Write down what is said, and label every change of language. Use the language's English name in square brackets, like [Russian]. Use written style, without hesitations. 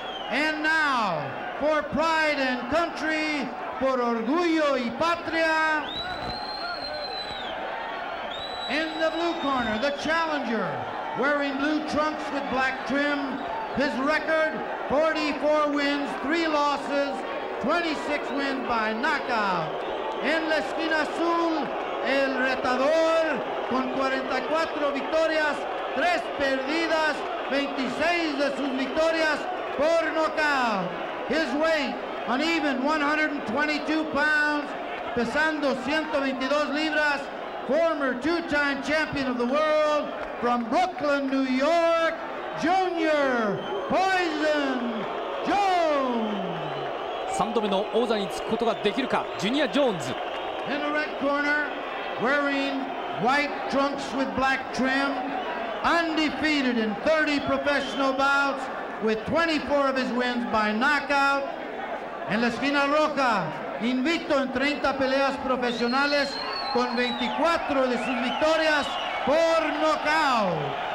[English] And now, for pride and country, [Spanish] por orgullo y patria, [English] in the blue corner, the challenger, wearing blue trunks with black trim, his record, 44 wins, 3 losses, 26 wins by knockout. [Spanish] En la esquina azul, el retador, con 44 victorias,Tres perdidas, 26 de sus victorias por nocaut. [English] His weight, uneven, 122 pounds, [Spanish] pesando 122 libras. [English] Former two-time champion of the world from Brooklyn, New York, Junior Poison Jones. [Japanese] 3度目の王座につくことができるか、ジュニア・ジョーンズ。 [English] In the red corner, wearing white trunks with black trim. Undefeated in 30 professional bouts with 24 of his wins by knockout. [Spanish] En la esquina roja, invicto en 30 peleas profesionales con 24 de sus victorias por knockout.